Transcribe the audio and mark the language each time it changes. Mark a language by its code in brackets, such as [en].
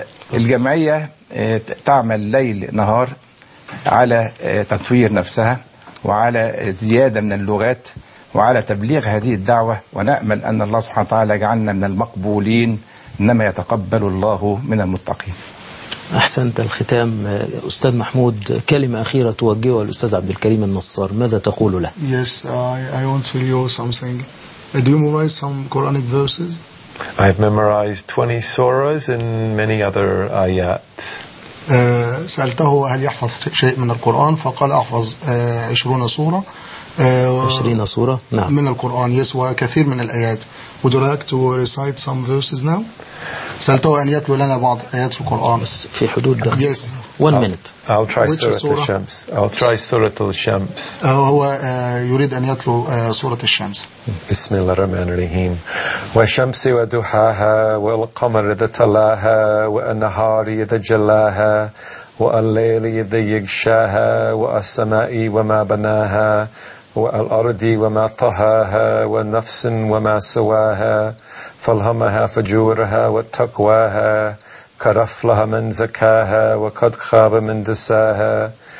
[ar] فالجمعية تعمل ليل نهار على تطوير نفسها وعلى زيادة من اللغات وعلى تبليغ هذه الدعوة ونأمل أن الله سبحانه وتعالى جعلنا من المقبولين إنما يتقبل الله من المتقين أحسنت الختام أستاذ محمود. كلمة أخيرة توجهها الأستاذ عبد الكريم النصار، ماذا تقول له؟ [en] Yes, I want to tell you something. Do you memorize some Quranic verses? I've memorized 20 surahs and many other ayat. [ar] سألته هل يحفظ شيء من القرآن؟ فقال أحفظ 20 سورة. 20 سورة؟ نعم. من القرآن يس وكثير من الآيات. [en] Would you like to recite some verses now? [ar] سألته أن يتلو لنا بعض آيات القرآن. في حدود ده. [en] Yes. One minute. I'll try سورة الشمس. I'll try سورة الشمس. [ar] هو يريد أن يتلو سورة الشمس. بسم الله الرحمن الرحيم. والشمس وضحاها والقمر إذا تلاها والنهار إذا جلاها والليل إذا يغشاها والسماء وما بناها والأرض وما طهاها والنفس وما سواها فالهمها فجورها وتقواها كرفلها من زكاها وقد خاب من دساها